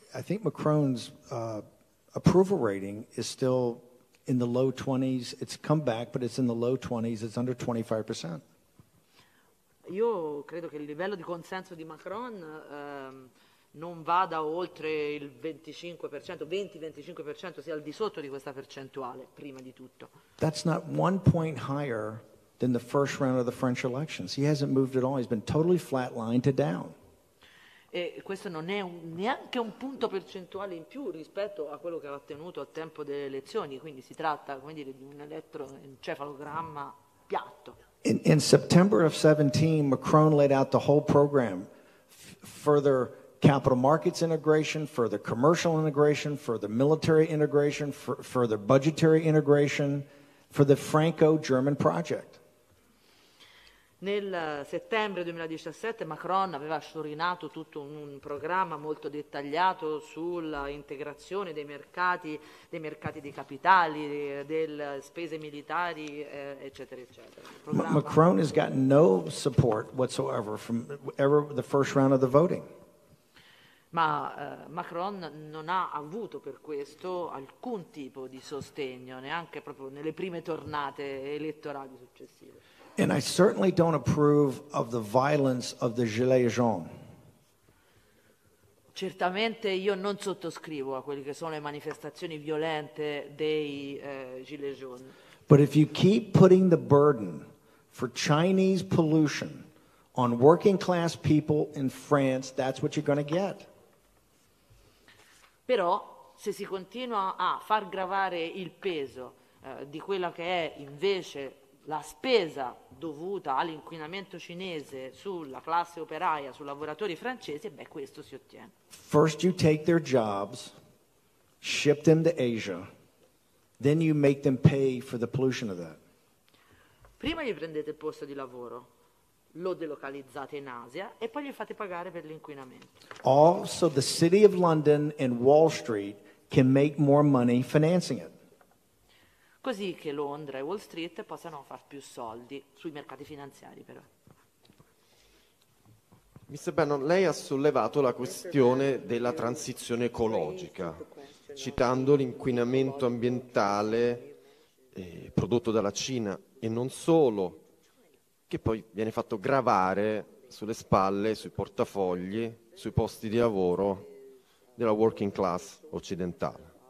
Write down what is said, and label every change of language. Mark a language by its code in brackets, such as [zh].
[en] I think Macron's approval rating is still in the low 20s. It's come back, but it's in the low 20s. It's under 25%. [it] Io credo che il livello di consenso di Macron non vada oltre il 25%, 20-25%, sia al di sotto di questa percentuale, prima di tutto. [en] That's not one point higher than the first round of the French elections. He hasn't moved at all. He's been totally flatlined to down. [it] E questo non è neanche un punto percentuale in più rispetto a quello che ha ottenuto al tempo delle elezioni, quindi si tratta, come dire, di un elettroencefalogramma piatto. [en] In September of 17, Macron laid out the whole program: further capital markets integration, further commercial integration, further military integration, further budgetary integration, for the Franco-German project. [it] Nel settembre 2017 Macron aveva sciorinato tutto un programma molto dettagliato sulla integrazione dei mercati dei capitali, delle spese militari, eccetera, eccetera. [en] Macron has gotten no support whatsoever from ever the first round of the voting. [it] Ma Macron non ha avuto per questo alcun tipo di sostegno, neanche proprio nelle prime tornate elettorali successive. [en] And I certainly don't approve of the violence of the Gilets Jaunes. [it] Certamente io non sottoscrivo a quelle che sono le manifestazioni violente dei Gilets Jaunes. [en] But if you keep putting the burden for Chinese pollution on working class people in France, that's what you're going to get. [it] Però se si continua a far gravare il peso di quella che è invece la spesa dovuta all'inquinamento cinese sulla classe operaia, sui lavoratori francesi, beh, questo si ottiene. [en] First you take their jobs, ship them to Asia, then you make them pay for the pollution of that. [it] Prima gli prendete il posto di lavoro, lo delocalizzate in Asia e poi gli fate pagare per l'inquinamento. [en] Also the city of London and Wall Street can make more money financing it. [it] Così che Londra e Wall Street possano far più soldi sui mercati finanziari, però. [en] Mr. [it] Bannon, lei ha sollevato la questione della transizione ecologica, citando l'inquinamento ambientale prodotto dalla Cina e non solo, che poi viene fatto gravare sulle spalle, sui portafogli, sui posti di lavoro della working class occidentale.